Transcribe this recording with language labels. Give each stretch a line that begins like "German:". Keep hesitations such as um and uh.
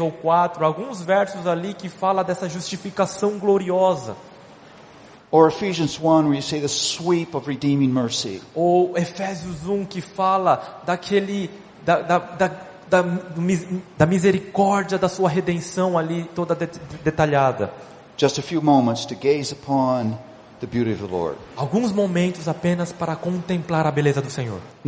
Portuguese: ou 4, alguns versos ali que fala dessa justificação gloriosa. Ou Efésios 1 onde
English: you say the sweep of redeeming mercy.
Portuguese: Ou Efésios 1 que fala daquele da, da, da, da, misericórdia da sua redenção ali toda detalhada.
English: Just a few moments to gaze upon
Portuguese: Alguns momentos apenas para contemplar a beleza do Senhor.